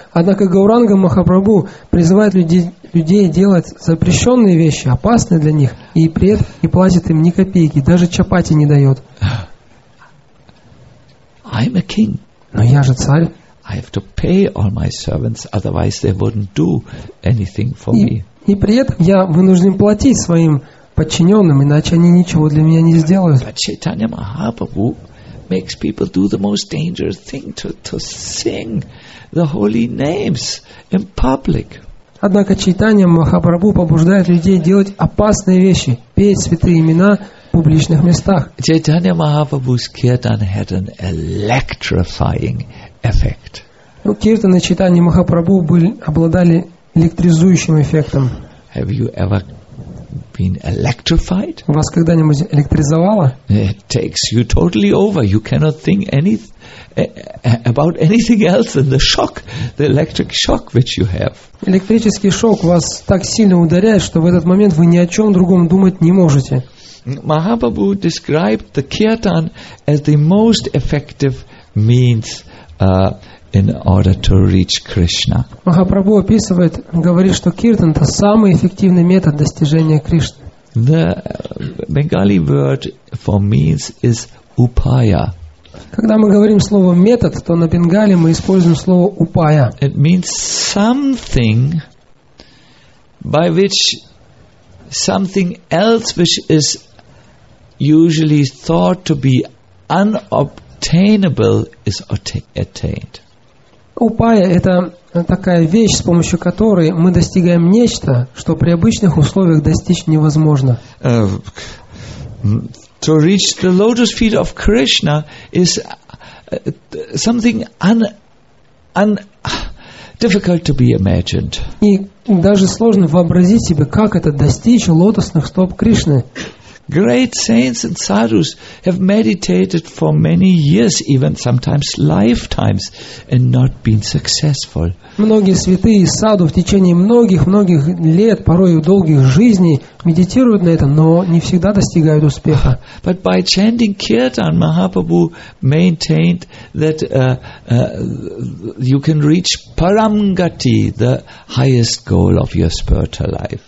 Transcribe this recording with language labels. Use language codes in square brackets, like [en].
[ru] Однако Гауранга Махапрабху призывает людей делать запрещенные вещи, опасные для них, и не платит им ни копейки, даже чапати не дает. [en] I'm a king. [ru] Но я же царь. [en] I have to pay all my servants, otherwise they wouldn't do anything for me. [ru] И при этом я вынужден платить своим подчиненным, иначе они ничего для меня не сделают. [en] But Chaitanya Mahaprabhu makes people do the most dangerous thing to sing the holy names in public. [ru] Однако Чайтанья Махапрабху побуждает людей делать опасные вещи, петь святые имена в публичных местах. [en] Чайтанья Махапрабху's киртан had an electrifying effect. [ru] Киртаны Чайтанья Махапрабху обладали электризующим эффектом. [en] Have you ever been electrified? [ru] Вас когда-нибудь электризовало? [en] It takes you totally over. You cannot think about anything else than the shock, the electric shock which you have. [ru] Электрический шок вас так сильно ударяет, что в этот момент вы ни о чем другом думать не можете. [en] Mahaprabhu described the kirtan as the most effective means in order to reach Krishna. [ru] Махапрабху описывает, говорит, что киртан — это самый эффективный метод достижения Кришны. [en] The Bengali word for means is upaya. [ru] Когда мы говорим слово метод, то на бенгали мы используем слово упая. [en] It means something by which something else which is usually thought to be unobtainable is attained. [ru] Упая — это такая вещь, с помощью которой мы достигаем нечто, что при обычных условиях достичь невозможно. [en] To reach the lotus feet of Krishna is something difficult to be imagined. [ru] И даже сложно вообразить себе, как это — достичь лотосных стоп Кришны. [en] Great saints and sadhus have meditated for many years, even sometimes lifetimes, and not been successful. [ru] Многие святые и саду в течение многих-многих лет, порой и долгих жизней, медитируют на это, но не всегда достигают успеха. [en] But by chanting kirtan, Mahaprabhu maintained that you can reach paramgati, the highest goal of your spiritual life.